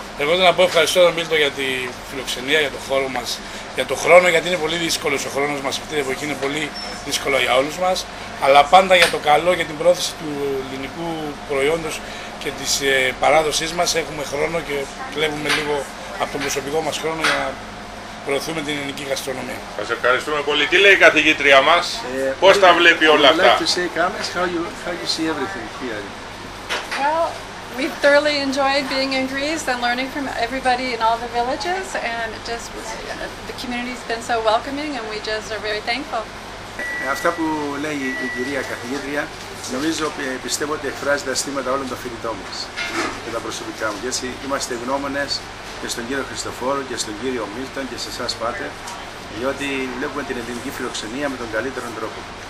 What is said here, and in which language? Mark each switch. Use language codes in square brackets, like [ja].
[el] Εγώ θέλω να πω ευχαριστώ τον Μίλτο για τη φιλοξενία, για το χώρο μας, για το χρόνο, γιατί είναι πολύ δύσκολος ο χρόνος μας αυτή την εποχή, είναι πολύ δύσκολο για όλους μας, αλλά πάντα για το καλό, για την πρόθεση του ελληνικού προϊόντος και της παράδοσής μας έχουμε χρόνο και κλέβουμε λίγο από τον προσωπικό μας χρόνο για να προωθούμε την ελληνική γαστρονομία. Σας ευχαριστούμε πολύ. Τι λέει η καθηγήτρια μας, πώς τα βλέπει όλα αυτά? [en] Like to say comments, how you see everything here? We thoroughly enjoyed being in Greece and learning from everybody in all the villages, and just the community's been so welcoming, and we just are very thankful. [el] Αυτά που λέει η κυρία καθηγήτρια, νομίζω ότι πιστεύω ότι εκφράζει τα αισθήματα όλων των φοιτητών μας και τα προσωπικά μου. Γιατί είμαστε γνώμονες και στον κύριο Χριστοφόρο και στον κύριο Μίλτον και σε εσάς, Πάτερ, διότι βλέπουμε την ελληνική φιλοξενία με τον καλύτερο τρόπο.